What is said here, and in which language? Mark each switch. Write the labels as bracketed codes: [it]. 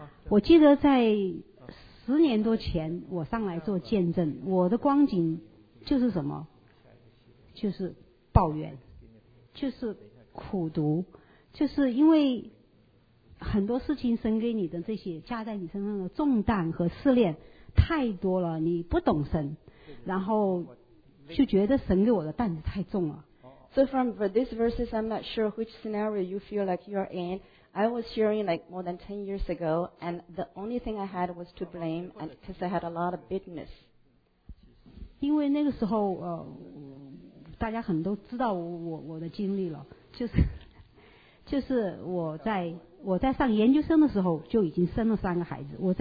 [zh] 我记得在10年多前我上来做见证，我的光景就是什么，就是抱怨，就是苦读，就是因为很多事情神给你的这些加在你身上的重担和试炼太多了，你不懂神，然后就觉得神给我的担子太重了。 [en] So from these verses, I'm not sure which scenario you feel like you are in. I was sharing like more than 10 years ago, and the only thing I had was to blame, and because I had a lot of bitterness. [zh] 因为那个时候大家很多都知道我的经历了，就是我在上研究生的时候就已经生了三个孩子，